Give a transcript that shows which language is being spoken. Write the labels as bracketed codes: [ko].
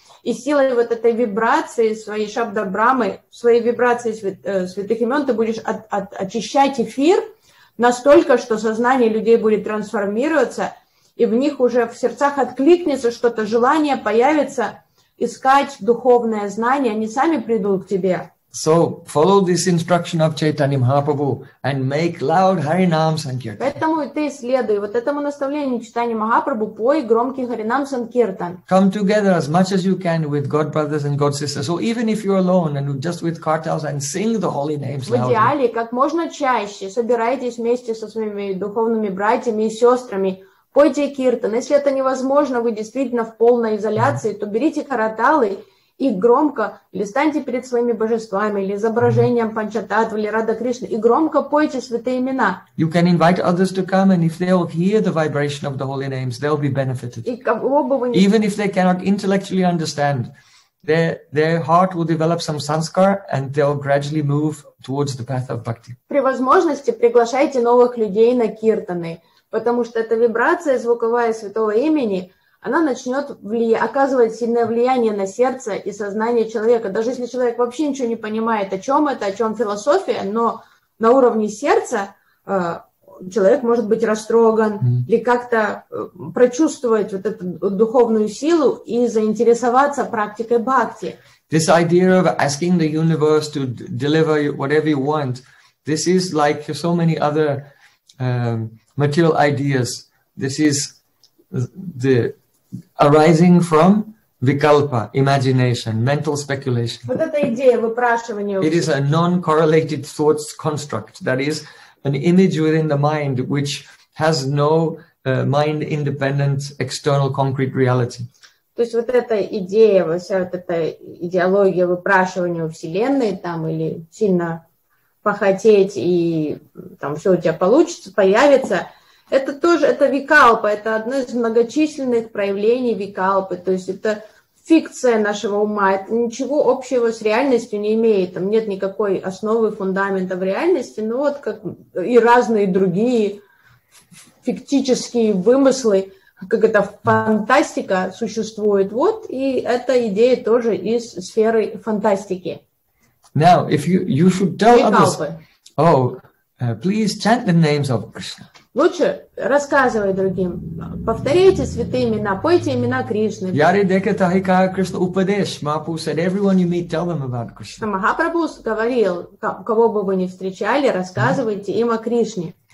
[ru] И силой вот этой вибрации своей Шабда Брамы, своей вибрации святых имен, ты будешь очищать эфир настолько, что сознание людей будет трансформироваться, и в них уже в сердцах откликнется что-то, желание появится искать духовное знание, они сами придут к тебе. [en] So follow this instruction of Chaitanya Mahaprabhu and make loud Harinam Sankirtan. [ru] Поэтому ты следуй вот этому наставлению Чайтанья Махапрабху, пой громкий Харинам Санкиртан. [en] Come together as much as you can with God brothers and God sisters. So even if you're alone and just with cartels, and sing the holy names loudly. [ru] В идеале как можно чаще собирайтесь вместе со своими духовными братьями и сестрами. Пойте киртан. Если это невозможно, вы действительно в полной изоляции, то берите караталы и громко, или станьте перед своими божествами, или изображением Панчататвы, или Рада Кришны, и громко пойте святые имена. [en] You can invite others to come, and if they'll hear the vibration of the holy names, they'll be benefited. [ru] И кого бы вы ни... [en] Even if they cannot intellectually understand, their heart will develop some sanskar, and they'll gradually move towards the path of bhakti. [ru] При возможности приглашайте новых людей на киртаны, потому что эта вибрация звуковая святого имени, она начнет оказывать сильное влияние на сердце и сознание человека. Даже если человек вообще ничего не понимает, о чем это, о чем философия, но на уровне сердца человек может быть растроган или как-то прочувствовать вот эту духовную силу и заинтересоваться практикой бхакти. [en] This idea of asking the universe to deliver whatever you want, this is like so many other material ideas. This is the arising from vikalpa, imagination, mental speculation. [ru] Вот эта идея выпрашивания. [en] It is a non-correlated thought construct. That is an image within the mind which has no mind-independent external concrete reality. [ru] То есть вот эта идея, вся вот эта идеология выпрашивания у Вселенной там или сильно похотеть и там все у тебя получится, появится. Это тоже, это викалпа, это одно из многочисленных проявлений викалпы. То есть это фикция нашего ума, это ничего общего с реальностью не имеет, там нет никакой основы, фундамента в реальности, но вот как и разные другие фиктические вымыслы, как это фантастика существует, вот, и эта идея тоже из сферы фантастики. [en] Now, if you should tell others, please chant the names of Krishna. [ru] Лучше рассказывай другим, повторяйте святые имена, пойте имена Кришны. [bn] Яри декатахика Кришна упадеш, [en] Махапрабху said, everyone you meet, tell them about Krishna. [ru] Махапрабху говорил, кого бы вы ни встречали, рассказывайте им о Кришне.